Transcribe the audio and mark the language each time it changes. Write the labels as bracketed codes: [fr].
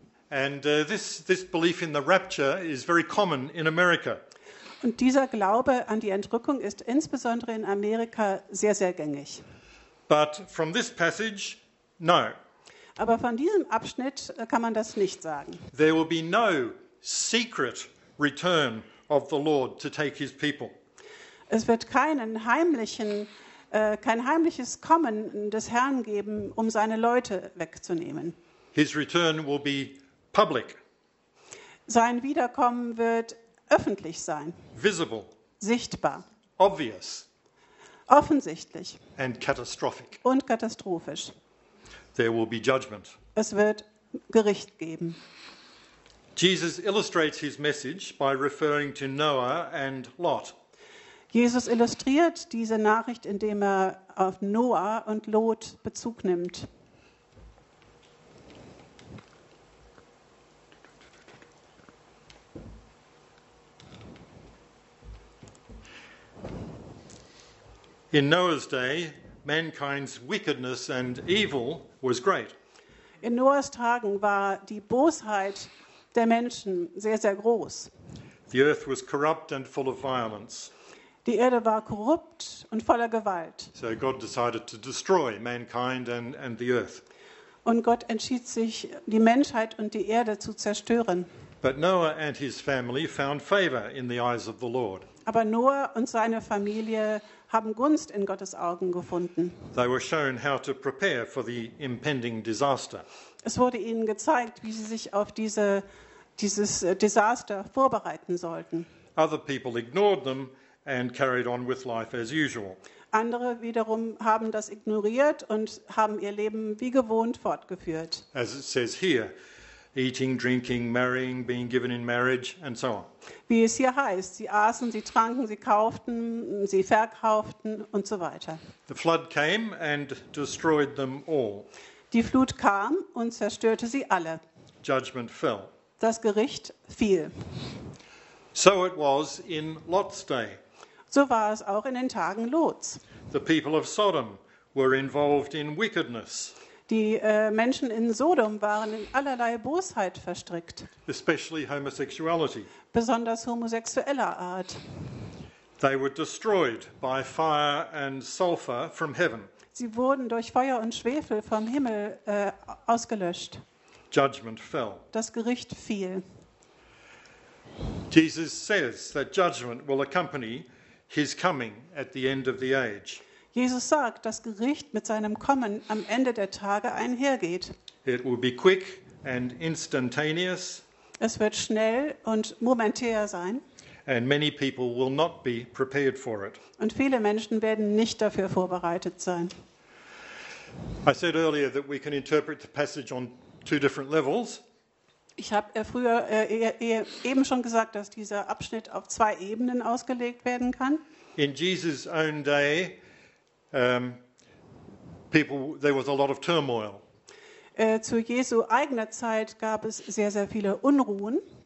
[en] And this belief in the rapture is very common in America. [de] Und dieser Glaube an die Entrückung ist insbesondere in Amerika sehr, sehr gängig. [en] But from this passage, no. [de] Aber von diesem Abschnitt kann man das nicht sagen. [en] There will be no secret return of the Lord to take his people. [de] Es wird kein heimliches Kommen des Herrn geben, um seine Leute wegzunehmen. [en] His return will be public. [de] Sein Wiederkommen wird öffentlich sein. [en] Visible. [de] Sichtbar. [en] Obvious. [de] Offensichtlich. [en] And catastrophic. [de] Und katastrophisch. [en] There will be judgment. [de] Es wird Gericht geben. [en] Jesus illustrates his message by referring to Noah and Lot. [de] Jesus illustriert diese Nachricht, indem er auf Noah und Lot Bezug nimmt. [en] In Noah's day, mankind's wickedness and evil was great. [de] In Noahs Tagen war die Bosheit der Menschen sehr, sehr groß. [en] The earth was corrupt and full of violence. [de] Die Erde war korrupt und voller Gewalt. [en] So God decided to destroy mankind and the earth. [de] Und Gott entschied sich, die Menschheit und die Erde zu zerstören. [en] But Noah and his family found favor in the eyes of the Lord. [de] Aber Noah und seine Familie haben Gunst in Gottes Augen gefunden. [en] They were shown how to prepare for the impending disaster. [de] Es wurde ihnen gezeigt, wie sie sich auf dieses Desaster vorbereiten sollten. [en] Other people ignored them and carried on with life as usual. [de] Andere wiederum haben das ignoriert und haben ihr Leben wie gewohnt fortgeführt. [en] As it says here, eating, drinking, marrying, being given in marriage, and so on. [de] Wie es hier heißt, sie aßen, sie tranken, sie kauften, sie verkauften und so weiter. [en] The flood came and destroyed them all. [de] Die Flut kam und zerstörte sie alle. [en] Judgment fell. [de] Das Gericht fiel. [en] So it was in Lot's day. [de] So war es auch in den Tagen Lots. [en] The people of Sodom were involved in wickedness. [de] Die Menschen in Sodom waren in allerlei Bosheit verstrickt. [en] Especially homosexuality. [de] Besonders homosexueller Art. [en] They were destroyed by fire and sulfur from heaven. [de] Sie wurden durch Feuer und Schwefel vom Himmel ausgelöscht. [en] Judgment fell. [de] Das Gericht fiel. [en] Jesus says that judgment will accompany his coming at the end of the age. [de] Jesus sagt, dass Gericht mit seinem Kommen am Ende der Tage einhergeht. [en] It will be quick and instantaneous. [de] Es wird schnell und momentär sein. [en] And many people will not be prepared for it. [de] Und viele Menschen werden nicht dafür vorbereitet sein. [en] I said earlier that we can interpret the passage on two different levels. [de] Ich habe früher eben schon gesagt, dass dieser Abschnitt auf zwei Ebenen ausgelegt werden kann. [en] In Jesus' own day, there was a lot of turmoil. [de] Zu Jesu eigener Zeit gab es sehr, sehr viele Unruhen.